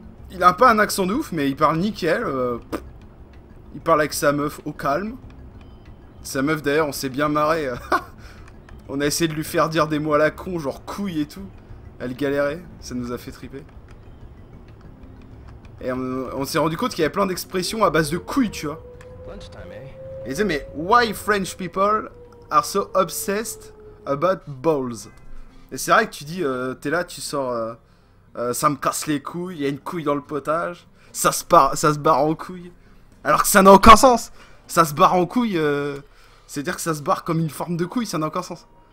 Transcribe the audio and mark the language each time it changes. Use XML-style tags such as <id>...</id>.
<fr>Il a pas un accent de ouf, mais il parle nickel. Il parle avec sa meuf au calme. Sa meuf, d'ailleurs, on s'est bien marré. On a essayé de lui faire dire des mots à la con, genre couille et tout. Elle galérait, ça nous a fait triper. Et on s'est rendu compte qu'il y avait plein d'expressions à base de couille, tu vois.</fr> <en>Lunchtime, eh?</en> <fr>Et il disait, mais</fr> <en>why French people are so obsessed about balls?</en> <fr>Et c'est vrai que tu dis, t'es là, tu sors, ça me casse les couilles, il y a une couille dans le potage, ça se barre en couille. Alors que ça n'a aucun sens. Ça se barre en couille, c'est-à-dire que ça se barre comme une forme de couille, ça n'a aucun sens.</fr>